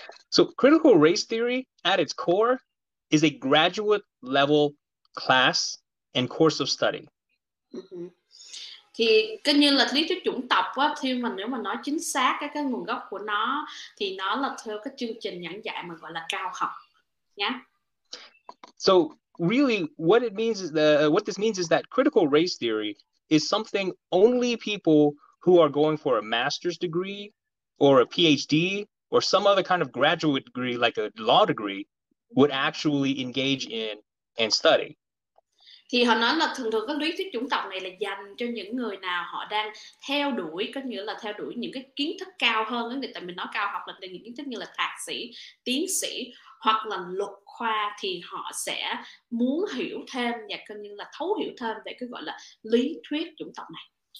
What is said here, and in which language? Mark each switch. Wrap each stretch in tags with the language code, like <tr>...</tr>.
<en>So critical race theory at its core is a graduate level class and course of study.</en> <vi>Thì cái như là lý thuyết chủng tộc á, thì mà nếu mà nói chính xác cái nguồn gốc của nó thì nó là theo cái chương trình giảng dạy mà gọi là cao học nhá.</vi> <en>So really what it means is what this means is that critical race theory is something only people who are going for a master's degree or a PhD or some other kind of graduate degree like a law degree would actually engage in and study.</en> <vi>Thì họ nói là thường thường cái lý thuyết chủng tộc này là dành cho những người nào họ đang theo đuổi, có nghĩa là theo đuổi những cái kiến thức cao hơn, người ta mình nói cao học là những kiến thức như là thạc sĩ, tiến sĩ hoặc là luật khoa, thì họ sẽ muốn hiểu thêm và coi như là thấu hiểu thêm về cái gọi là lý thuyết chủng tộc này.</vi>